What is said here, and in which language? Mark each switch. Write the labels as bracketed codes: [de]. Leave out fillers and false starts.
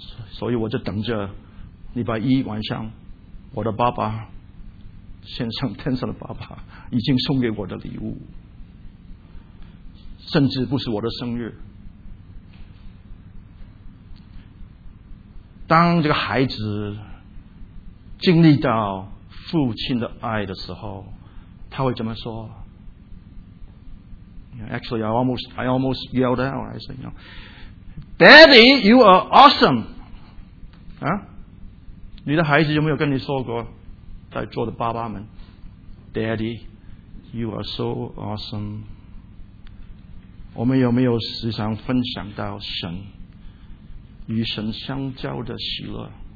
[zh] 所以我就等着礼拜一晚上，我的爸爸先生天上的爸爸已经送给我的礼物，甚至不是我的生日。当这个孩子经历到父亲的爱的时候，他会怎么说？ [en] Actually, I almost yelled out. I said, you know, Daddy, you are awesome. [zh] 啊，你的孩子有没有跟你说过，在座的爸爸们， [en] Daddy, you are so awesome. [zh] 我们有没有时常分享到神与神相交的喜乐？